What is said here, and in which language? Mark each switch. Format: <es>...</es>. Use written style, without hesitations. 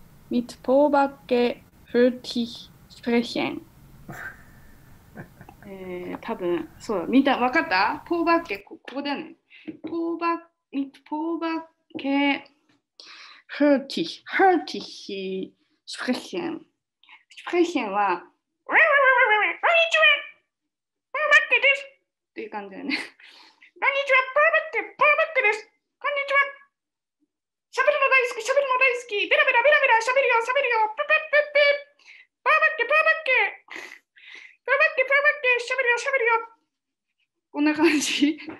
<de>Mit Pobacke hört ich sprechen.</de> <ja>多分そうだ、見た、わかった？ポーバッケ、ここだね。</ja> <de>ポーバッ、Mit Pobacke hört ich, hört ich sprechen.</de> <ja>Sprechen は、こんにちは、ポーバッケです。っていう感じだね。こんにちは、ポーバッケ、ポーバッケです。こんにちは。しゃべるの大好き、しゃべるの大好き、ベラベラベラベラ、しゃべるよ、しゃべるよ、ぷぷぷぷ、パーバッケ、パーバッケ、パーバッケ、パーバッケ、しゃべるよ、しゃべるよ、こんな感じ。</ja>